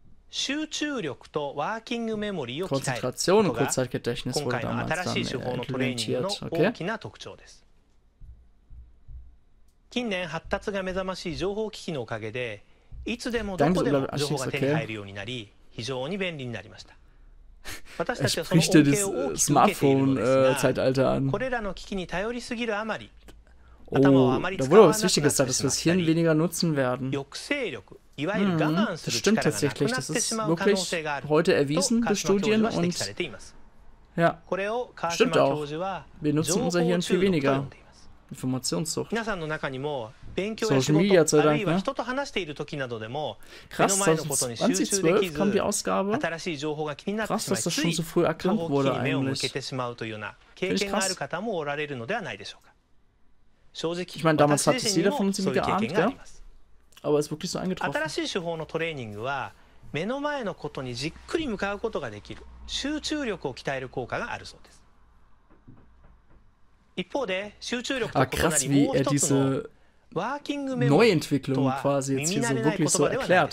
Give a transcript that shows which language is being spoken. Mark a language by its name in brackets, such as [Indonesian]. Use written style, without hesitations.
[Japanese] 集中力とワーキングメモリーを鍛えることが今回の新しい手法のトレーニングの大きな特徴です。近年発達が目覚ましい情報機器のおかげで、いつでもどこでも情報が手に入るようになり、非常に便利になりました。 [German] Er spricht dir das Smartphone-Zeitalter an. Oh, da wurde was Wichtiges gesagt, dass wir das Hirn weniger nutzen werden. Das stimmt tatsächlich, das ist wirklich heute erwiesen durch Studien und ja, stimmt auch. Wir nutzen unser Hirn viel weniger. Informationssucht. Social Media, sei Dank, ne? Krass, 2012 kam die Ausgabe. Krass, dass das schon so früh erkannt wurde eigentlich. Ich meine, damals hat es jeder von uns irgendwie geahnt, gell? Aber es ist wirklich so eingetroffen. [Japanese] 目の前のことにじっくり向かうことができる集中力を鍛える効果があるそうです。一方で集中力と異なりもう一つのワーキングメモリーとは耳慣れない言葉ではないで